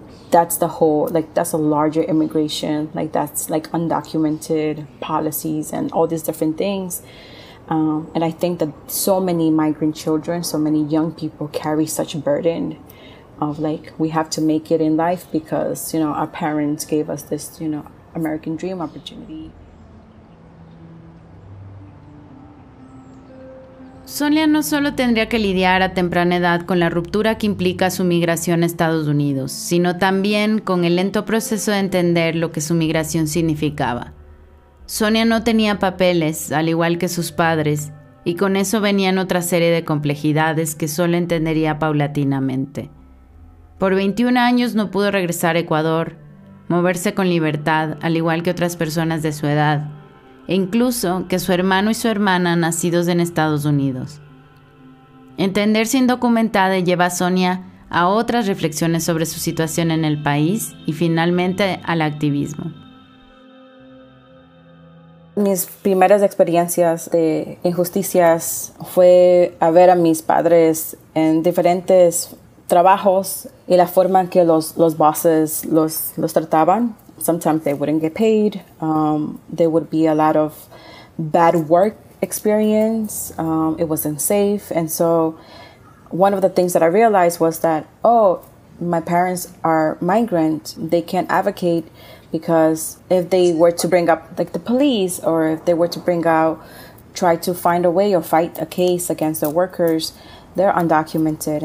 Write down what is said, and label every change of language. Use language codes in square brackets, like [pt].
[en] That's the whole, like, that's a larger immigration. Like, that's like undocumented policies and all these different things. And I think that so many migrant children, so many young people carry such a burden of like, we have to make it in life because, you know, our parents gave us this, you know, American dream opportunity. [es] Sonia no solo tendría que lidiar a temprana edad con la ruptura que implica su migración a Estados Unidos, sino también con el lento proceso de entender lo que su migración significaba. Sonia no tenía papeles, al igual que sus padres, y con eso venían otra serie de complejidades que solo entendería paulatinamente. Por 21 años no pudo regresar a Ecuador, moverse con libertad, al igual que otras personas de su edad, e incluso que su hermano y su hermana nacidos en Estados Unidos. Entenderse indocumentada lleva a Sonia a otras reflexiones sobre su situación en el país y finalmente al activismo. Mis primeras experiencias de injusticias fue a ver a mis padres en diferentes trabajos y la forma en que los bosses los trataban. [en] Sometimes they wouldn't get paid. There would be a lot of bad work experience. It wasn't safe. And so one of the things that I realized was that, oh, my parents are migrant. They can't advocate. Because if they were to bring up like the police, or if they were to bring out, try to find a way or fight a case against the workers, they're undocumented.